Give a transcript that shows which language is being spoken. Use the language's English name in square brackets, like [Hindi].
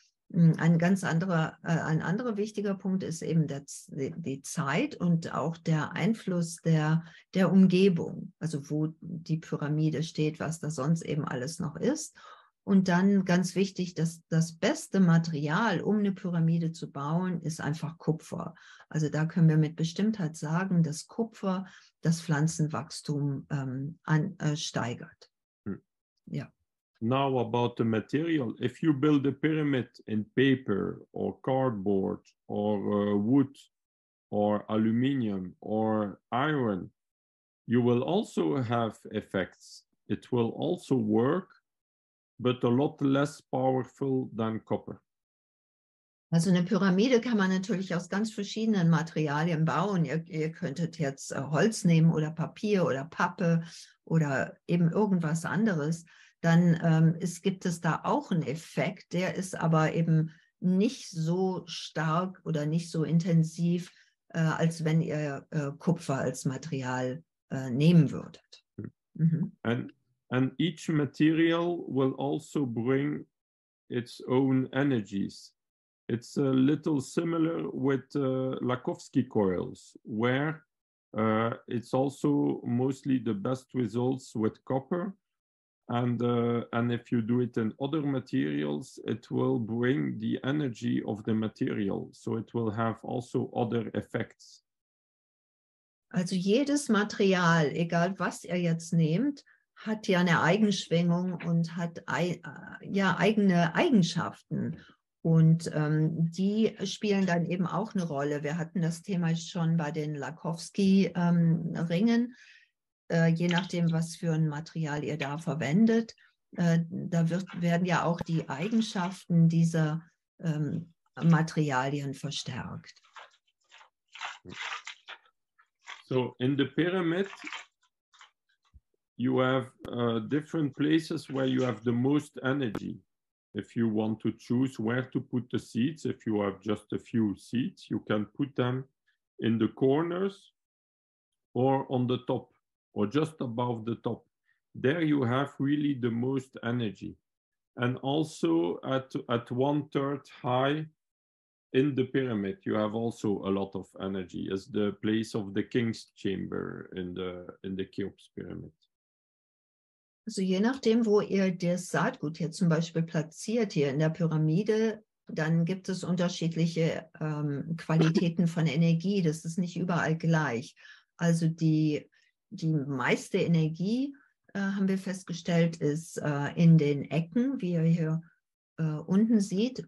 [German] Ein anderer wichtiger Punkt ist eben die Zeit und auch der Einfluss der Umgebung, also wo die Pyramide steht, was da sonst eben alles noch ist. Und dann ganz wichtig, dass das beste Material, um eine Pyramide zu bauen, ist einfach Kupfer. Also da können wir mit Bestimmtheit sagen, dass Kupfer das Pflanzenwachstum steigert. Ja. [English] Now about the material. If you build a pyramid in paper or cardboard or wood or aluminium or iron, you will also have effects. It will also work, but a lot less powerful than copper. [German] Also eine Pyramide kann man natürlich aus ganz verschiedenen Materialien bauen. Ihr könntet jetzt Holz nehmen oder Papier oder Pappe oder eben irgendwas anderes. Dann gibt es da auch einen Effekt, der ist aber eben nicht so stark oder nicht so intensiv, als wenn ihr Kupfer als Material nehmen würdet. Mhm. [English] And each material will also bring its own energies. It's a little similar with Lakovsky coils, where it's also mostly the best results with copper. And if you do it in other materials, it will bring the energy of the material. So it will have also other effects. [German] Also jedes Material, egal was ihr jetzt nehmt, hat ja eine Eigenschwingung und hat eigene Eigenschaften. Und die spielen dann eben auch eine Rolle. Wir hatten das Thema schon bei den Lakovsky-Ringen. Je nachdem, was für ein Material ihr da verwendet, werden ja auch die Eigenschaften dieser Materialien verstärkt. [English] So, in the pyramid, you have different places where you have the most energy. If you want to choose where to put the seeds, if you have just a few seeds, you can put them in the corners or on the top. Or just above the top, there you have really the most energy. And also at one third high in the pyramid, you have also a lot of energy as the place of the king's chamber in the Cheops pyramid. [German] Also je nachdem, wo ihr das Saatgut hier zum Beispiel platziert, hier in der Pyramide, dann gibt es unterschiedliche Qualitäten von Energie. Das ist nicht überall gleich. Also die meiste Energie, haben wir festgestellt, ist in den Ecken, wie ihr hier unten seht.